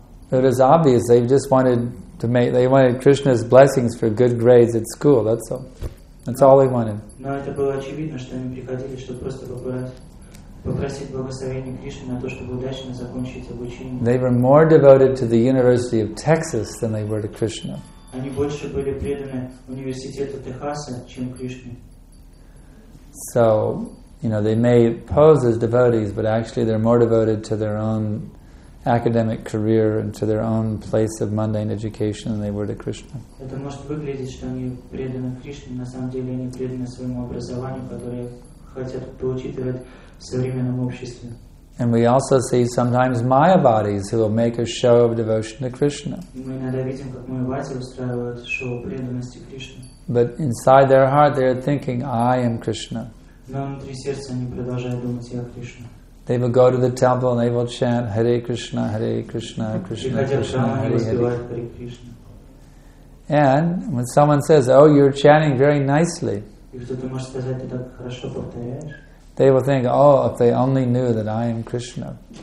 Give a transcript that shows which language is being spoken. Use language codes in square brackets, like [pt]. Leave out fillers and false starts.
[en] But it was obvious they just wanted to make. They wanted Krishna's blessings for good grades at school. That's all. That's all they wanted. [ru] Но это было очевидно, что они приходили, чтобы просто попросить благословения Кришны на то, чтобы удачно закончить обучение. [en] They were more devoted to the University of Texas than they were to Krishna. [ru] Они больше были преданы университету Техаса, чем Кришне. [en] So, you know, they may pose as devotees, but actually they're more devoted to their own academic career and to their own place of mundane education than they were to Krishna. [ru] Это может выглядеть, что они преданы Кришне, на самом деле они преданы своему образованию, которое хотят получить в современном обществе. [en] And we also see sometimes Mayavadis who will make a show of devotion to Krishna. [ru] Мы иногда видим, как Майявади устраивают шоу преданности Кришне. [en] But inside their heart, they are thinking, "I am Krishna." [ru] Но внутри сердца они продолжают думать, я Кришна. [en] They will go to the temple and they will chant Hare Krishna, Hare Krishna, Krishna Krishna, Hare Hare. And when someone says, "Oh, you're chanting very nicely," they will think, "Oh, if they only knew that I am Krishna."